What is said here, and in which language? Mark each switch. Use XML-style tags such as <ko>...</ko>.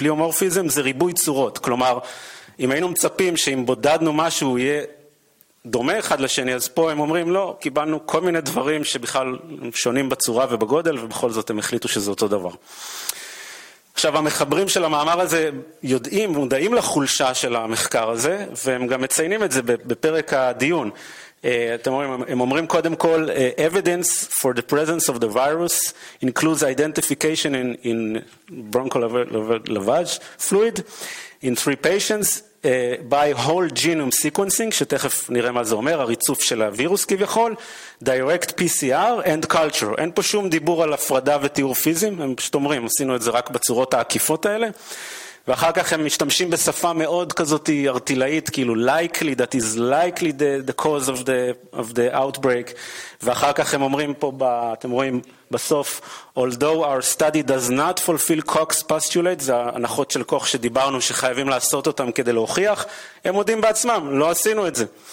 <he>Pleomorphism זה ריבוי צורות, כלומר, אם היינו מצפים שאם בודדנו משהו הוא יהיה דומה אחד לשני, אז פה הם אומרים לא, קיבלנו כל מיני דברים שבכלל שונים בצורה ובגודל, ובכל זאת הם החליטו שזה אותו דבר. עכשיו, המחברים של המאמר הזה יודעים ומודעים לחולשה של המחקר הזה, והם גם מציינים את זה בפרק הדיון. אתם אומרים, הם אומרים קודם כל,</he> <en>evidence for the presence of the virus includes identification in bronchoalveolar fluid in three patients by whole genome sequencing,</en> <he>שתכף נראה מה זה אומר, הריצוף של הווירוס כביכול,</he> <en>direct PCR and culture.</en> <he>אין פה שום דיבור על הפרדה ותיאור פיזים, הם פשוט אומרים, עשינו את זה רק בצורות העקיפות האלה, ואחר כך הם משתמשים בשפה מאוד כזאת ארטילאית, כאילו</he> <en>likely, that is likely the cause of the outbreak,</en> <he>ואחר כך הם אומרים פה, אתם רואים בסוף,</he> <en>although our study does not fulfill Koch's postulate,</en> <he>זה הנחות של קוך שדיברנו שחייבים לעשות אותם כדי להוכיח, הם עודים בעצמם, לא עשינו את זה.</he>